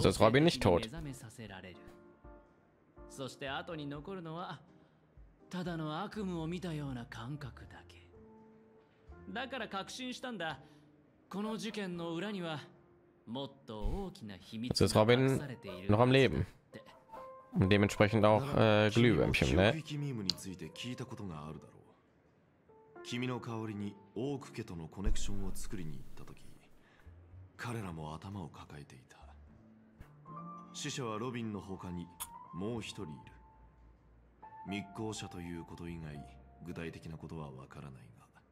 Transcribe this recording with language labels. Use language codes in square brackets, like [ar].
[ja] 覚めさせられる。そして後に残るのはただの悪夢を見たような感覚だけ。だから確信したんだ。この事件の裏にはもっと大きな秘密が隠されているのかもしれない。 [de] Und dementsprechend auch Glühwürmchen, ne? [ja] 記憶夢について聞いたことがあるだろう。君の代わりにオーク家とのコネクションを作りに行ったとき、彼らも頭を抱えていた。死者はロビンの他にもう一人いる。密航者ということ以外具体的なことはわからないが。